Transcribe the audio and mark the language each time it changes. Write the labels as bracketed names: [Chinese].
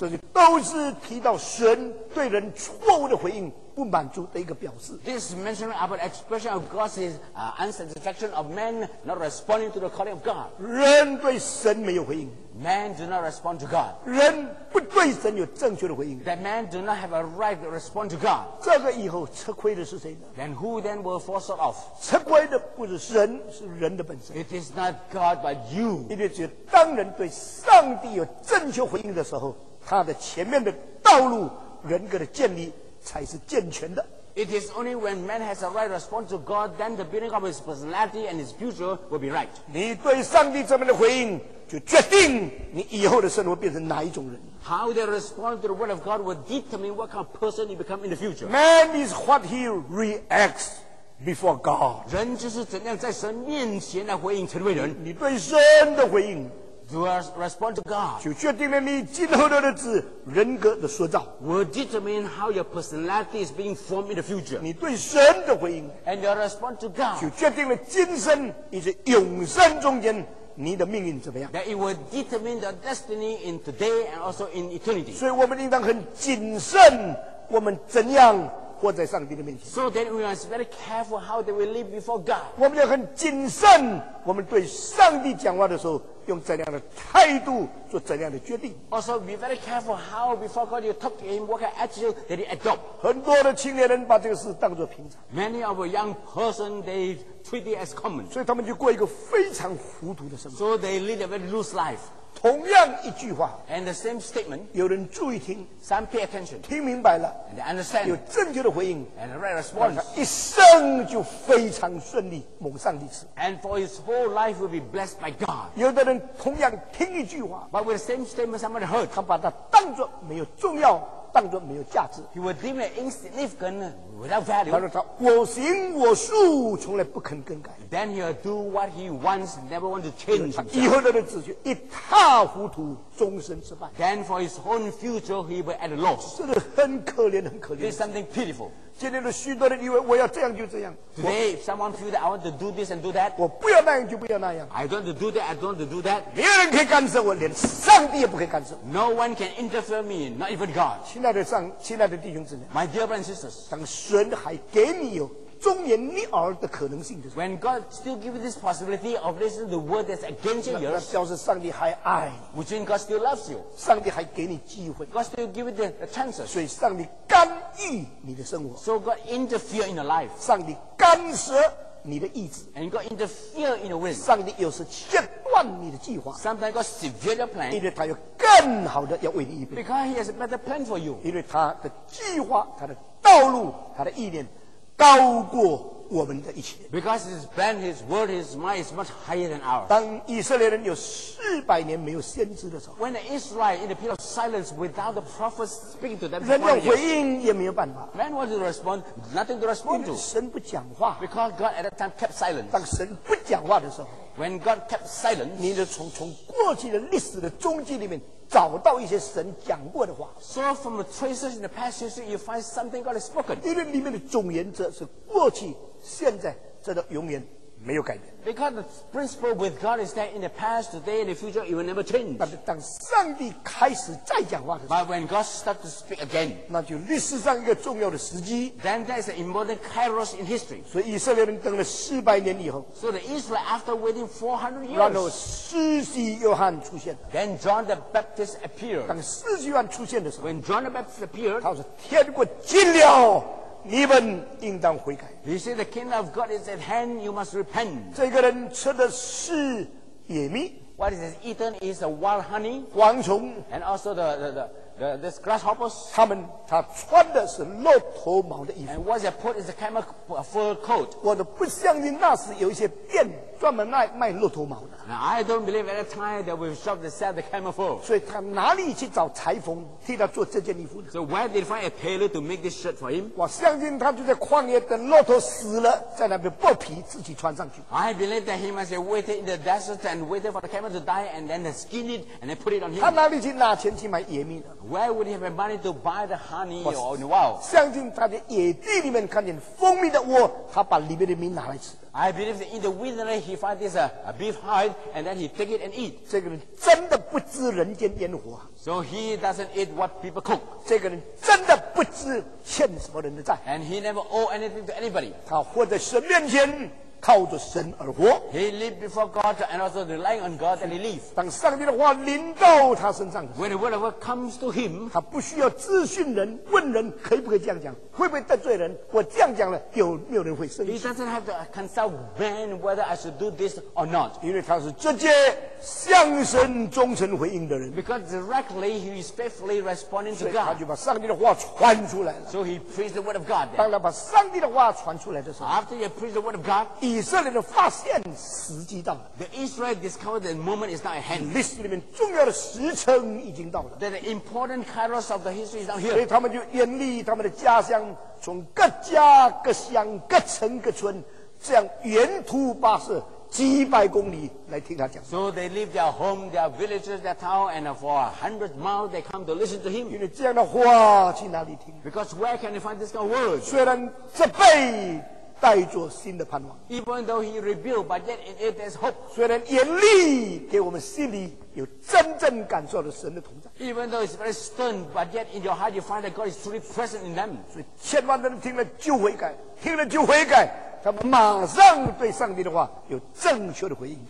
[Chinese] 这都是提到神对人错误的回应。不满足的一个表示。 [English] This is mentioned about expression of God's unsatisfaction of man not responding to the calling of God. [Chinese] 人对神没有回应。 [English] Man do not respond to God. [Chinese] 人不对神有正确的回应。 [English] That man do not have a right to respond to God. [Chinese] 这个以后吃亏的是谁呢 [English] ？Then who then will fall short of? [Chinese] 吃亏的不是神，是人的本身。 [English] It is not God but you. [Chinese] 因为只有当人对上帝有正确回应的时候，他的前面的道路人格的建立。才是健全的。 [English] It is only when man has a right response to God, then the building of his personality and his future will be right. [Chinese] 你对上帝这边的回应，就决定你以后的生活变成哪一种人。 [English] How they respond to the word of God will determine what kind of person you become in the future. Man is what he reacts before God. [Chinese] 人就是怎样在神面前来回应成为人。你对神的回应。 [English] To respond to God, [Chinese] 就决定了你今后的日子人格的塑造。 [English] Will determine how your personality is being formed in the future. [Chinese] 你对神的回应 [English] ，and your response to God, [Chinese] 就决定了今生以及永生中间你的命运怎么样。 [English] That it will determine the destiny in today and also in eternity. [Chinese] 所以我们应当很谨慎，我们怎样活在上帝的面前。 [English] So then we must be very careful how that we live before God. [Chinese] 我们要很谨慎，我们对上帝讲话的时候。用怎样的态度做怎样的决定 [English] ？Also, be very careful how before God you talk to him, what kind of attitude that he adopt. [Chinese] 很多的青年人把这个事当作平常。 [English] Many of a young person they treat it as common. [Chinese] 所以他们就过一个非常糊涂的生活。 [English] So they lead a very loose life. [Chinese] 同样一句话 [English] ，and the same statement. [Chinese] 有人注意听 [English] ，some pay attention. [Chinese] 听明白了 [English] ，and they understand. [Chinese] 有正确的回应 [English] ，and a right response. [Chinese] 他一生就非常顺利，蒙上帝赐。 [English] And for his whole life will be blessed by God. [Chinese] 有的人同样听一句话 [English] ，but with the same statement, somebody heard. [Chinese] 他把它当作没有重要，大当作没有价值。 [English] He would deem it insignificant, without value. [Chinese] 他说他我行我素，从来不肯更改。 [English] Then he would do what he wants, never want to change. [Chinese] 他以后的日子就一塌糊涂，终身失败。 [English] Then for his own future, he would at a loss. [Chinese] 这是很可怜，很可怜。 [English] This is something pitiful. [Chinese] 今天的许多人以为我要这样就这样。 [English] Today, if someone feels that I want to do this and do that, [Chinese] 我不要那样就不要那样。 [English] I don't want to do that, I don't want to do that. [Chinese] 别人可以干涉我，连上帝也不可以干涉。 [English] No one can interfere me, not even God. [Chinese] 亲爱的弟兄姊妹 [English] ，My dear brothers and sisters, [Chinese] 当神还给你有忠言逆耳的可能性的时候 [English] ，When God still gives you this possibility of listening to the word that's against you, [Chinese] 那表示上帝还爱你。 [English] Which means God still loves you. [Chinese] 上帝还给你机会。 [English] God still gives you the chances. [Chinese] 所以上帝干。意你的生活 [English] ，so God interfere in the life， [Chinese] 上帝干涉你的意志 [English] ，and God interfere in the will， [Chinese] 上帝有时切断你的计划 [English] ，sometimes God severe your plan， [Chinese] 因为他有更好的要为你预备 [English] ，because He has a better plan for you， [Chinese] 因为他的计划、他的道路、他的意念高过我们的一切 [English] ，because His plan, His word, His mind is much higher than ours。 [Chinese] 当以色列人有四百年没有先知的时候 [English] ，when the Israel in the period of silence without the prophets speaking to them， [Chinese] 人要回应也没有办法 [English] ，man wants to respond, nothing to respond to。 [Chinese] 神不讲话 [English] ，because God at that time kept silent。 [Chinese] 当神不讲话的时候 [English] ，when God kept silent， [Chinese] 你得从过去的历史的踪迹里面。找到一些神讲过的话 [English] So from the traces in the past history you find something God has spoken [Chinese] 因为里面的总原则是过去现在这个永远没有改变 [English] Because the principle with God is that in the past, today and the future it will never change [Chinese] 但是当上帝开始再讲话的时候 [English] But when God starts to speak again [Chinese] 那就历史上一个重要的时机 [English] Then there is an important kairos in history [Chinese] 所以以色列人等了四百年以后 [English] So the Israel after waiting 400 years [Chinese] 然后施洗约翰出现了 [English] Then John the Baptist appeared [Chinese] 当施洗约翰出现的时候 [English] When John the Baptist appeared [Chinese] 他说天国近了你们应当悔改。 [English] He said, "The kingdom of God is at hand. You must repent." [Chinese] 这个人吃的是野蜜。 [English] What is eaten is a wild honey. [Chinese] 蝗虫。 [English] And also this grasshoppers. [Chinese] 他穿的是骆驼毛的衣服。 [English] And what they put is a camel fur coat. [Chinese] 我都不相信那是有一些店专门卖骆驼毛的。 [English] Now, I don't believe at that time that we've shoved the sell the camel fur. [Chinese] 所以他哪里去找裁缝替他做这件衣服呢 [English] ？So where did he find a tailor to make this shirt for him? [Chinese] 我相信他就在旷野等骆驼死了，在那边剥皮自己穿上去。 [English] I believe that he must have waited in the desert and waited for the camel to die and then skin it and then put it on him. [Chinese] 他哪里去拿钱去买野蜜呢 [English] ？Where would he have money to buy the honey or the wow? [Chinese] 相信他在野地里面看见蜂蜜的窝，他把里面的蜜拿来吃。 [English] I believe that in the wilderness he finds this a beef hide and then he take it and eat. [Chinese] 这个人真的不知人间烟火。 [English] So he doesn't eat what people cook. [Chinese] 这个人真的不知欠什么人的债。 [English] And he never owe anything to anybody. [Chinese] 他活在神面前靠着神而活。 [English] He lived before God and also relying on God and he lives. [Chinese] 当上帝的话临到他身上。 [English] When the word of God comes to him, [Chinese] 他不需要咨询人问人可以不可以这样讲。会不会得罪人？我这样讲了，有没有人会生气 [English] ？He doesn't have to consult man whether I should do this or not. [Chinese] 因为他是直接向神忠诚回应的人。 [English] Because directly he is faithfully responding to God. [Chinese] 所以他就把上帝的话传出来了。 [English] So he preached the word of God. [Chinese] 当他把上帝的话传出来的时候 [English] ，After he preached the word of God, [Chinese] 以色列人发现时机到了。 [English] The Israel discovered the moment is now at hand. [Chinese] List 里面重要的时辰已经到了。 [English] That the important kairos of the history is now here. [Chinese] 所以他们就远离他们的家乡。从各家各乡各城各村这样远途跋涉几百公里来听他讲 [English] So they leave their home their villages their town and for 100 miles they come to listen to him [Chinese] 因为这样的话去哪里听 [English] Because where can you find this kind of word [Chinese] 虽然这辈带着新的盼望 [English] Even though he rebuilt but yet in it there's hope [Chinese] 虽然严厉给我们心里有真正感受到神的同在 [English] Even though it's very stern but yet in your heart you find that God is truly present in them [Chinese] 所以千万的人听了就悔改听了就悔改他们马上对上帝的话有正确的回应